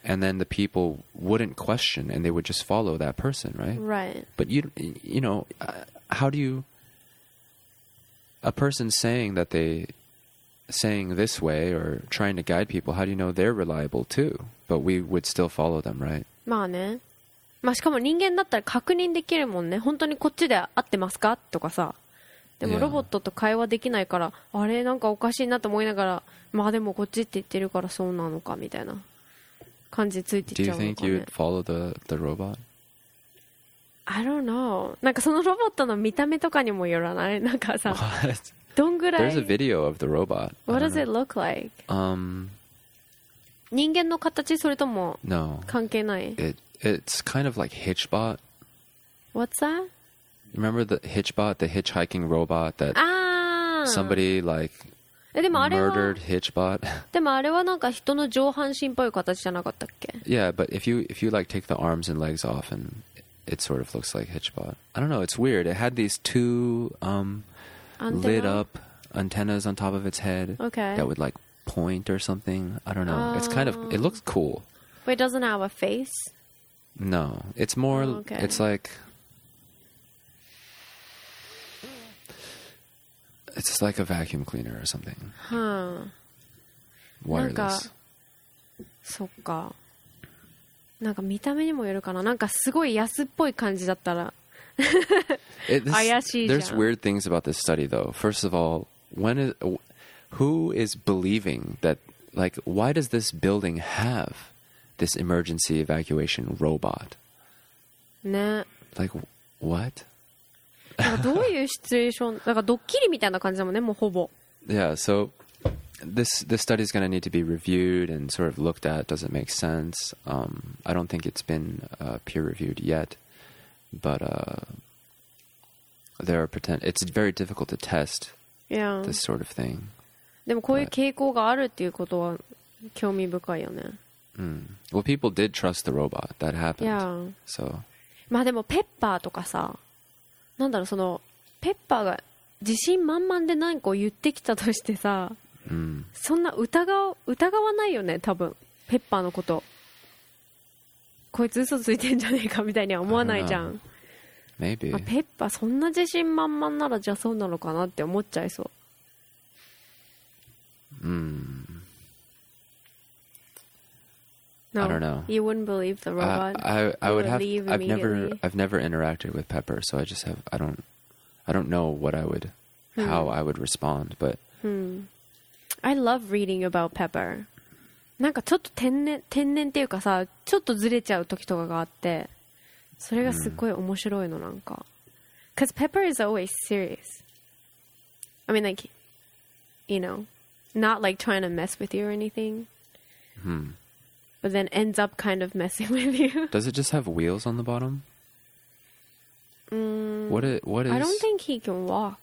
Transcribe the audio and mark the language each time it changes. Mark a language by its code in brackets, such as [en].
[en] And then the people wouldn't question and they would just follow that person, right? Right. But, you know, how do you... A person saying that they... saying this way or trying to guide people, how do you know they're reliable too? But we would still follow them, right? [ja] まあね。まあしかも人間だったら確認できるもんね。本当にこっちで合ってますか?とかさ。でもロボットと会話できないから、あれなんかおかしいなと思いながら、まあでもこっちって言ってるからそうなのかみたいな感じついてっちゃうのかね。 [en] Do you think you'd follow the robot? I don't know. [ja] なんかそのロボットの見た目とかにもよらない。なんかさ、 [en] What? [ja] どんぐらい [en] There's a video of the robot. What does it look like? [ja] 人間の形それとも [en] No. [ja] 関係ない。 [en] It's kind of like Hitchbot. What's that? Remember the Hitchbot, the hitchhiking robot that somebody like murdered Hitchbot? [ja] でもあれはなんか人の上半身っぽい形じゃなかったっけ [en] Yeah, but if you like take the arms and legs off andIt sort of looks like Hitchbot. I don't know. It's weird. It had these two lit up antennas on top of its head. Okay. That would like point or something. I don't know. It's kind of, it looks cool. But it doesn't have a face? No. It's more, okay. It's like, it's like a vacuum cleaner or something. Huh. Wireless. [ja] そっか。なんか見た目にもよるかな。なんかすごい安っぽい感じだったら怪しいじゃん。 [en] There's weird things about this study though. First of all, who is believing that, like, why does this building have this emergency evacuation robot? [ja] ね。 [en] Like, what? [ja] どういうシチュエーション、なんかドッキリみたいな感じだもんね、もうほぼ。 [en] Yeah, so... This study is going to need to be reviewed and sort of looked at. Does it make sense? I don't think it's been peer reviewed yet, but there are potential. It's very difficult to test this sort of thing. [ja] でもこういう傾向があるっていうことは興味深いよね。 [en] Well, people did trust the robot. That happened. Yeah. So. [ja] まあでもペッパーとかさ、なんだろうそのペッパーが自信満々で何かを言ってきたとしてさ。そんな疑わないよね多分ペッパーのことこいつ嘘ついてんじゃねえかみたいには思わないじゃん [en] Maybe. [ja] まあペッパーそんな自信満々ならじゃあそうなのかなって思っちゃいそう、 [en] No. I don't know. You wouldn't believe the robot. I would have. I've never interacted with Pepper, so I just have. I don't know what I would, how I would respond, but. I love reading about Pepper. [ja] なんかちょっと天然っていうかさ、ちょっとずれちゃう時とかがあって、それがすっごい面白いのなんか。 [en] Cause Pepper is always serious. I mean like, you know, not like trying to mess with you or anything. But then ends up kind of messing with you. Does it just have wheels on the bottom? What is? I don't think he can walk.